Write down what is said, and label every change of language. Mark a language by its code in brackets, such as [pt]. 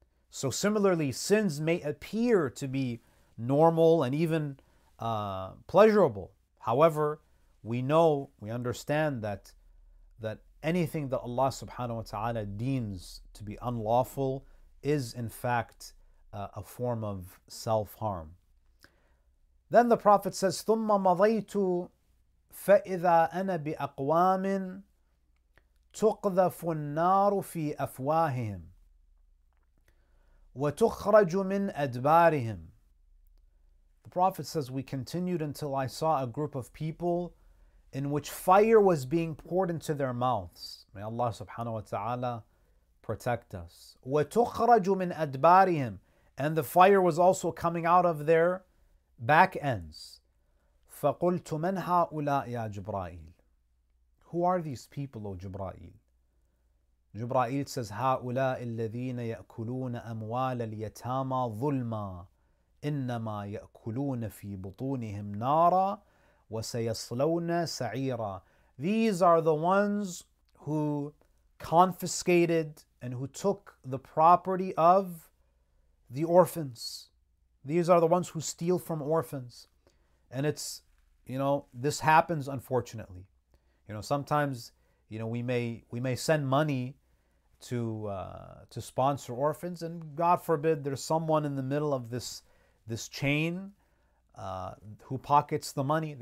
[en] So similarly, sins may appear to be normal and even pleasurable. However, we know, we understand that anything that Allah subhanahu wa ta'ala deems to be unlawful is in fact a form of self-harm. Then the Prophet says, [ar] ثُمَّ مَضَيْتُ فَإِذَا أَنَا بِأَقْوَامٍ تُقْذَفُ النَّارُ فِي أَفْوَاهِهِمْ وَتُخْرَجُ مِنْ أَدْبَارِهِمْ. [en] The Prophet says, we continued until I saw a group of people in which fire was being poured into their mouths. May Allah subhanahu wa ta'ala protect us. [ar] وَتُخْرَجُ مِنْ أَدْبَارِهِمْ. [en] And the fire was also coming out of their back ends. [ar] فَقُلْتُ مَنْ هَؤُلَاءِ يَا جِبْرَائِيلِ. [en] Who are these people, O Jibra'il? Jibra'il says, [ar] هَؤُلَاءِ الَّذِينَ يَأْكُلُونَ أَمْوَالَ الْيَتَامَى ظُلْمًا إِنَّمَا يَأْكُلُونَ فِي بُطُونِهِمْ نَارًا وَسَيَصْلَوْنَ سَعِيرًا. [en] These are the ones who confiscated and who took the property of the orphans. These are the ones who steal from orphans. And it's, you know, this happens unfortunately. You know, sometimes, you know, we may send money to sponsor orphans, and God forbid there's someone in the middle of this chain who pockets the money.